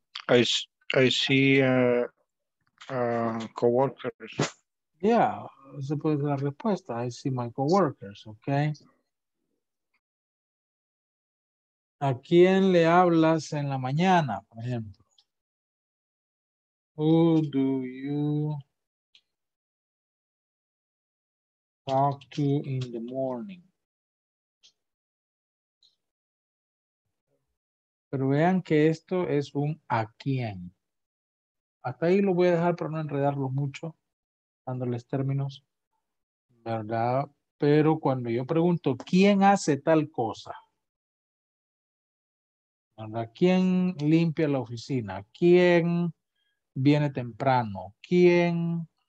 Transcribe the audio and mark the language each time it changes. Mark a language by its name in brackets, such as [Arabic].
[English] I see coworkers. Yeah, [Spanish] esa puede ser la respuesta. [English] I see my coworkers, okay. [Spanish] ¿A quién le hablas en la mañana, por ejemplo? [English] Who do you talk to in the morning? [Spanish] Pero vean que esto es un ¿a quién? Hasta ahí lo voy a dejar para no enredarlo mucho, dándoles términos, ¿verdad? Pero cuando yo pregunto ¿quién hace tal cosa?, ¿a quién limpia la oficina?, ¿quién viene temprano?, ¿quién